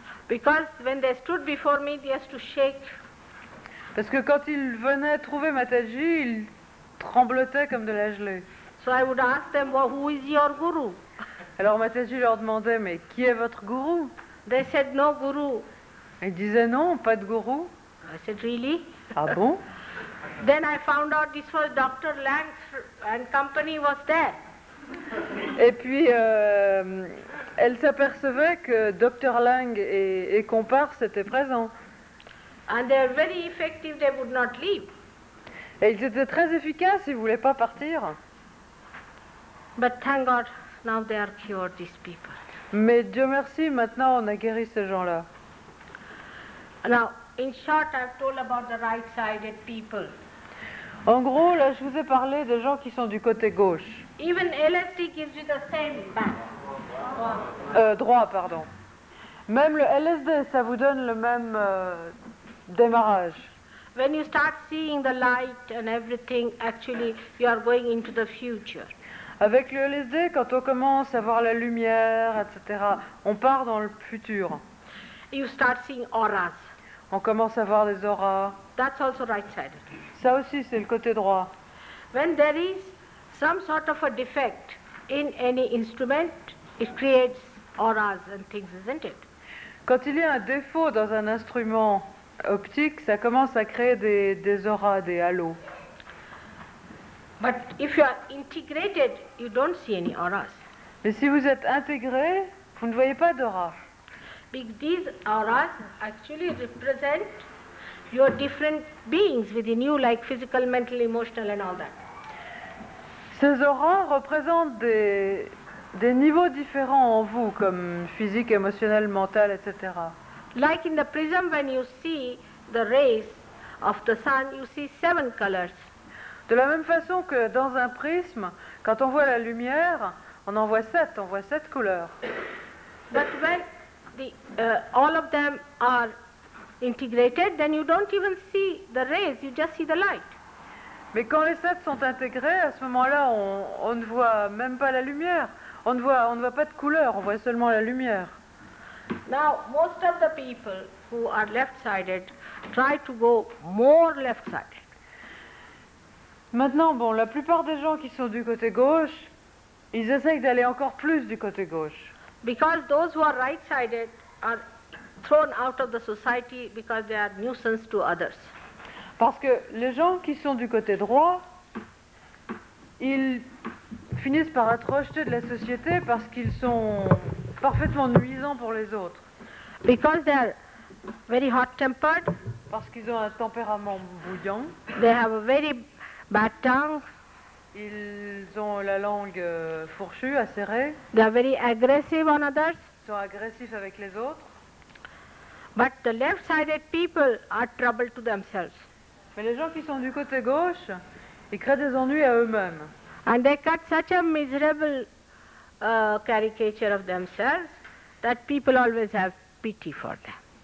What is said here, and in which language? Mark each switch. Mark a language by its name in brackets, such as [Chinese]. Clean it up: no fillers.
[English] Because when they stood before me, they used to shake... [French] Parce que quand il venait trouver Mataji, il tremblotait comme de la gelée. [English] So I would ask them, well, who is your guru? [French] Alors Mataji leur demandait, mais qui est votre gourou? [English] They said, no guru. [French] Ils disaient, non, pas de gourou. [English] I said, really? [French] Ah bon? [English] Then I found out this was Dr. Lang and company was there. [French] Et puis, elle s'apercevait que Dr. Lang et comparse étaient présents. [English] And they are very effective, they would not leave. [French] Et ils étaient très efficaces, ils ne voulaient pas partir. [English] But thank God, now they are cured, these people. [French] Mais Dieu merci, maintenant on a guéri ces gens-là. [English] Now, in short, I've told about the right-sided people. [French] En gros, là, je vous ai parlé des gens qui sont du côté gauche. [English] Even LSD gives you the same back. [French] Droit, pardon. Même le LSD, ça vous donne le même... démarrage. [English] When you start seeing the light and everything, actually, you are going into the future. [French] Avec le LSD, quand on commence à voir la lumière, etc., on part dans le futur. [English] You start seeing auras. [French] On commence à voir des auras. [English] That's also right side. [French] Ça aussi, c'est le côté droit. [English] When there is some sort of a defect in any instrument, it creates auras and things, isn't it? [French] Quand il y a un défaut dans un instrument optique, ça commence à créer des auras, des halos. [English] But if you are integrated, you don't see any auras. [French] Mais si vous êtes intégré, vous ne voyez pas d'auras. [English] Because these auras actually represent your different beings within you, like physical, mental, emotional, and all that. [French] Ces auras représentent des niveaux différents en vous, comme physique, émotionnel, mental, etc. [English] Like in the prism, when you see the rays of the sun, you see seven colors. [French] De la même façon que dans un prisme, quand on voit la lumière, on en voit sept, on voit sept couleurs. [English] But when all of them are integrated, then you don't even see the rays, you just see the light. [French] Mais quand les sept sont intégrés, à ce moment-là, on ne voit même pas la lumière. On ne voit pas de couleur, on voit seulement la lumière. [English] Now, most of the people who are left-sided try to go more left-sided. [French] Maintenant, bon, la plupart des gens qui sont du côté gauche, ils essayent d'aller encore plus du côté gauche. [English] Because those who are right-sided are thrown out of the society because they are nuisance to others. [French] Parce que les gens qui sont du côté droit, ils finissent par être rejetés de la société parce qu'ils sont parfaitement nuisants pour les autres. [English] Because they are very hot-tempered. [French] Parce qu'ils ont un tempérament bouillant. [English] They have a very bad tongue. [French] Ils ont la langue fourchue, acérée. [English] They are very aggressive on others. [French] Ils sont agressifs avec les autres. [English] But the left-sided people are trouble to themselves. [French] Mais les gens qui sont du côté gauche, ils créent des ennuis à eux-mêmes. [English] And they cut such a miserable caricature of themselves that people always have pity for them.